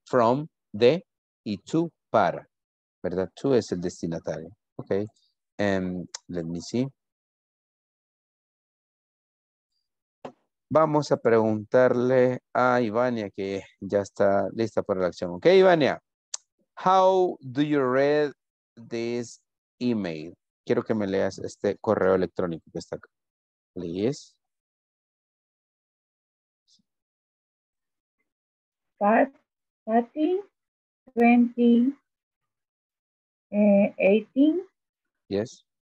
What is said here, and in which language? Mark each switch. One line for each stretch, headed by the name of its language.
Spanish: From, the, y to, para, ¿verdad? To es el destinatario, ¿ok?
English: Let me see.
Spanish: Vamos a preguntarle a Ivania que ya está lista para la acción.
English: Okay, Ivania, how do you read this email?
Spanish: Quiero que me leas este correo electrónico que está acá.
English: Please. Part 2018. Yes.